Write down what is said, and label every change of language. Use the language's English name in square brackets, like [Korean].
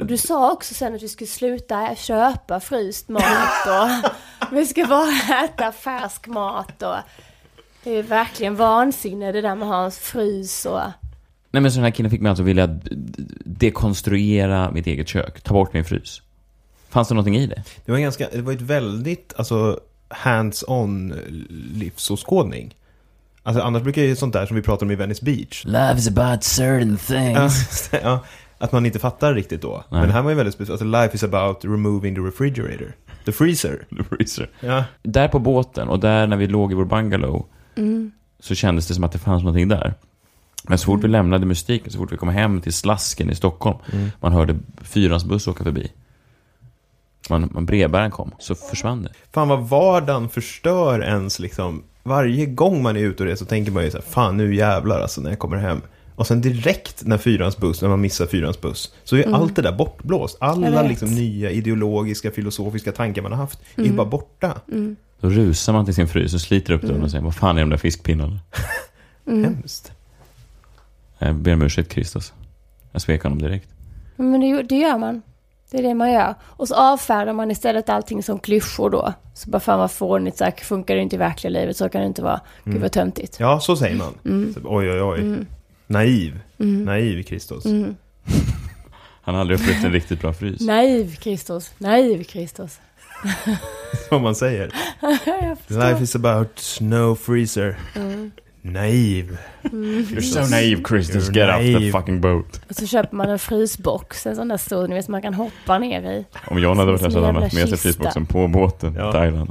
[Swedish] Och du sa också sen att vi skulle sluta köpa fryst mat och vi ska bara äta färsk mat och det är verkligen vansinne det där med hans frys och... Nej, men så den här killen fick mig alltså vilja dekonstruera mitt eget kök, ta bort min frys. Fanns det någonting i det? Det var ett väldigt alltså, hands-on livsåskådning. Alltså, annars brukar det ju sånt där som vi pratar om i Venice Beach. [English] Life's about certain things. [Swedish] Ja, att man inte fattar riktigt då. Nej. Men det här var ju väldigt speciellt. Alltså, [English] life is about removing the refrigerator. The freezer. The freezer. [Swedish] Ja. Där på båten och där när vi låg i vår bungalow så kändes det som att det fanns någonting där. Men så fort vi lämnade mystiken, så fort vi kom hem till Slasken i Stockholm, man hörde fyrans buss åka förbi. Man brevbäraren kom, så försvann det. Fan vad vardagen förstör ens liksom... Varje gång man är ute och reser så tänker man ju så här, fan nu jävlar alltså när jag kommer hem. Och sen direkt när man missar fyrans buss så är allt det där bortblåst. Alla liksom nya ideologiska, filosofiska tankar man har haft är bara borta. Då rusar man till sin frys och sliter upp dörren och säger, vad fan är de där fiskpinnarna? Hemskt. Jag ber om ursäkt, Kristus. Jag svekar honom direkt. Men det gör man. Det är det man gör. Och så avfärdar man istället allting som klyschor då. Så bara fan vad fånigt, så här, funkar det inte i verkliga livet, så kan det inte vara. Gud vad töntigt. Ja, så säger man. Mm. Så, oj. Mm. Naiv Kristus. Mm. Han har aldrig upplevt en riktigt bra frys. Naiv Kristus. Som man säger. [English] Life is about no freezer. [Swedish] Mm. Naiv. [English] You're so naive, Christus. Get naive. Off the fucking boat. [Swedish] Och så köper man en frysbox, en sån där stor, ni vet, som man kan hoppa ner i. Om John hade varit här så hade han haft med sig frysboxen på båten i Thailand.